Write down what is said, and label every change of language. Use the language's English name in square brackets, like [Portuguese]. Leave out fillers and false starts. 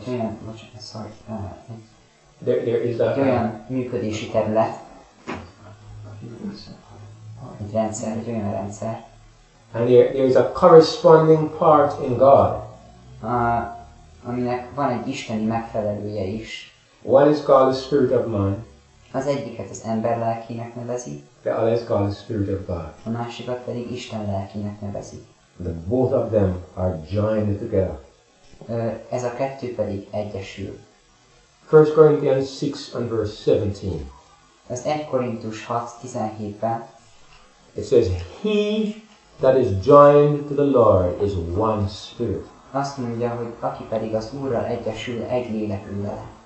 [Hungarian] Egy olyan, bocsánat, sorry. [English] There is a [Hungarian] olyan működési terület. Egy rendszer, egy olyan rendszer. [English] And there is a corresponding part in God. [Hungarian] Aminek van egy isteni megfelelője is. [English] One is called the spirit of mind. [Hungarian] Az egyiket az ember lelkének nevezi. [English] The other is called the spirit of God. [Hungarian] A másikat pedig Isten lelkének nevezi. [English] The both of them are joined together. [Hungarian] Ez a kettő pedig egyesül. [English] 1 Corinthians 6 and verse 17. [Hungarian] Az 1 Korintus 6:17-ben. [English] It says, he that is joined to the Lord is one spirit. [Hungarian] Azt mondja, hogy aki pedig az Úrral egyesül, egy lélek ül vele.